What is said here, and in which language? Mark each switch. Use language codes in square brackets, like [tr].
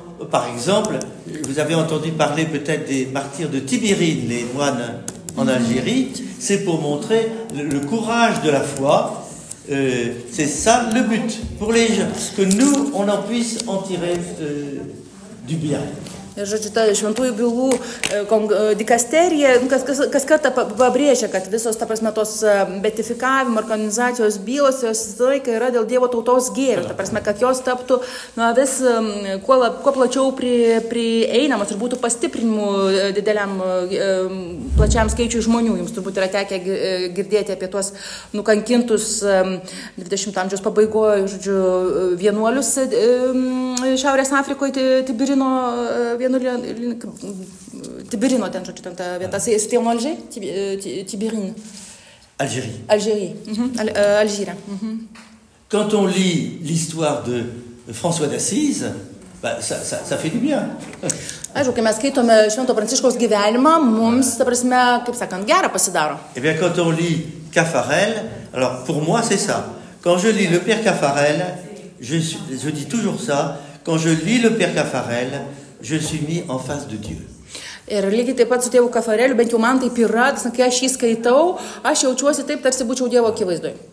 [fr] Par exemple, vous avez entendu parler peut-être des martyrs de Tibérine, les moines en Algérie. C'est pour montrer le courage de la foi. C'est ça le but pour les gens, que nous, on en puisse en tirer du bien. [lt] Žodžiu, ta šventųjų bylų dikasterija, kas kartą pabrėžia, kad visos, ta prasme, tos betifikavimo organizacijos bylos, jos laikai yra dėl Dievo tautos gėrio, ta prasme, kad jos taptų vis kuo plačiau prieinamos ir būtų pastiprinimų dideliam plačiam skaičiui žmonių. Jums turbūt yra tekę girdėti apie tuos nukankintus 20 amžiaus pabaigoje, žodžiu, vienuolius Šiaurės Afrikoje, Tibirino Tibirino, ten, žodžiu, ten ta vieta. Esu tėmo Alžiai? Tibirino. [fr] Algérie. Algérie. Algérie. Quand on lit l'histoire de François d'Assise, ben, ça fait du bien. [lt] Aišku, kai mes skaitome Švento Pranciškaus gyvenimą, mums, ta prasme, kaip sakant, gera pasidaro. [fr] Et bien, quand on lit Caffarel, alors pour moi c'est ça. Quand je lis le père Caffarel, je dis toujours ça, quand je lis le père Caffarel, je suis mis en face de Dieu. [lt] Ir lygiai taip pat su tėvu Caffareliu, bent jau man taip yra, kai aš jį skaitau, aš jaučiuosi taip, tarsi būčiau Dievo akivaizdoj.